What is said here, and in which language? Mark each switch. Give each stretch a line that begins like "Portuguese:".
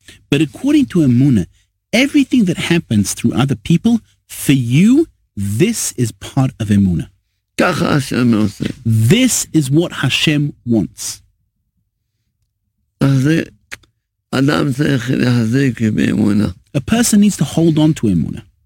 English: But according to Emuna, everything that happens through other people, for you, this is part of Emuna.
Hebrew: ככה השם עושה.
English: This is what Hashem wants.
Hebrew: אז אדם צריך להחזיק באמונה.
English: A person needs to hold on to אמונה.